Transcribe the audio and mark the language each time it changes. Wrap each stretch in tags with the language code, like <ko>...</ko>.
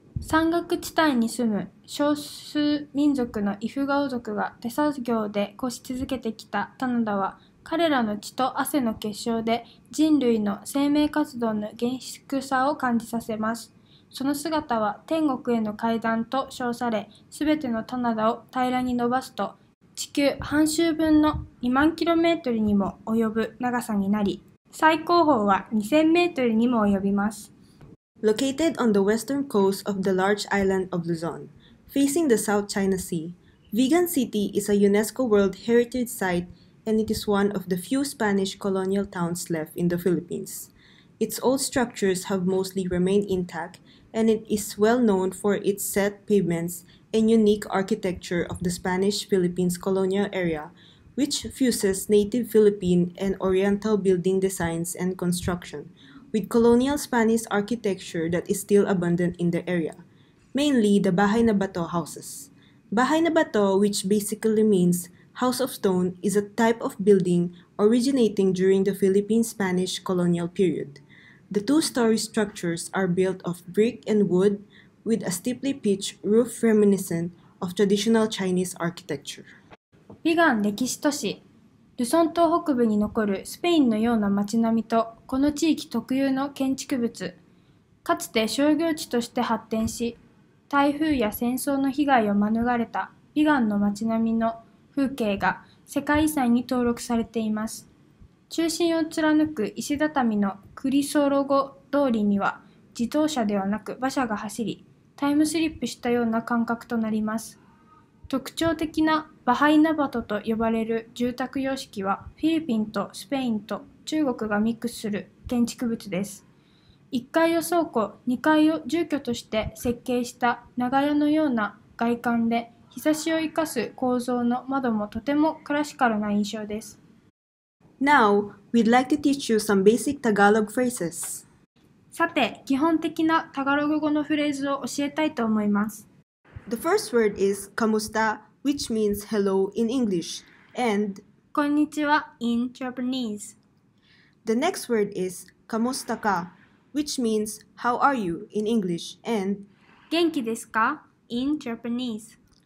<ja>山岳地帯に住む少数民族のイフガオ族が手作業で越し続けてきた棚田は、彼らの血と汗の結晶で人類の生命活動の厳粛さを感じさせます。その姿は天国への階段と称され、すべての棚田を平らに伸ばすと、地球半周分の2万キロメートルにも及ぶ長さになり、最高峰は2000メートルにも及びます。</ja> <en>Located on the western coast of the large island of Luzon, facing the South China Sea, Vigan City is a UNESCO World Heritage Site and it is one of the few Spanish colonial towns left in the Philippines. Its old structures have mostly remained intact and it is well known for its set pavements and unique architecture of the Spanish-Philippines colonial era, which fuses native Philippine and Oriental building designs and construction with colonial Spanish architecture that is still abundant in the area, mainly the Bahay na Bato houses. Bahay na Bato, which basically means house of stone, is a type of building originating during the Philippine-Spanish colonial period. The two-story structures are built of brick and wood with a steeply pitched roof reminiscent of traditional Chinese architecture.</en> <ja>ビガン歴史都市、ルソン島北部に残るスペインのような町並みとこの地域特有の建築物、かつて商業地として発展し、台風や戦争の被害を免れたビガンの町並みの風景が世界遺産に登録されています。中心を貫く石畳のクリソロゴ通りには自動車ではなく馬車が走り、タイムスリップしたような感覚となります。特徴的なバハイナバトと呼ばれる住宅様式はフィリピンとスペインと中国がミックスする建築物です。 1階を倉庫、2階を住居として設計した長屋のような外観で、日差しを生かす構造の窓もとてもクラシカルな印象です。</ja> <en>Now, we'd like to teach you some basic Tagalog phrases.</en> <ja>さて、基本的なタガログ語のフレーズを教えたいと思います。</ja> <en>The first word is kamusta, which means hello in English, and</en> <ja>こんにちは</ja> <en>in Japanese. The next word is kamusta ka, which means how are you in English, and</en> <ja>元気ですか</ja> <en>in Japanese.</en>